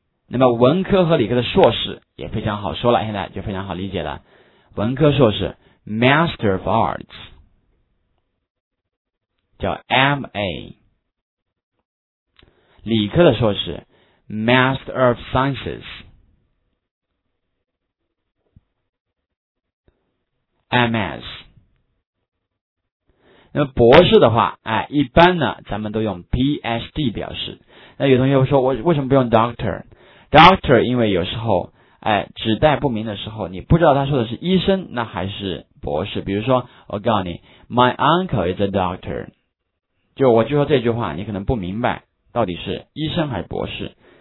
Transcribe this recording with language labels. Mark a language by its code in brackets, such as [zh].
[zh] 那么文科和理科的硕士也非常好说了，现在就非常好理解了。文科硕士 [en] Master of Arts [zh] 叫 MA， 理科的硕士 [en] Master of Sciences [zh] MS。那么博士的话，哎，一般呢咱们都用 PhD 表示。那有同学会说，我为什么不用 Doctor？ Doctor 因为有时候哎，指代不明的时候，你不知道他说的是医生那还是博士。比如说我告诉你 [en] My uncle is a doctor， [zh] 就我就说这句话，你可能不明白到底是医生还是博士。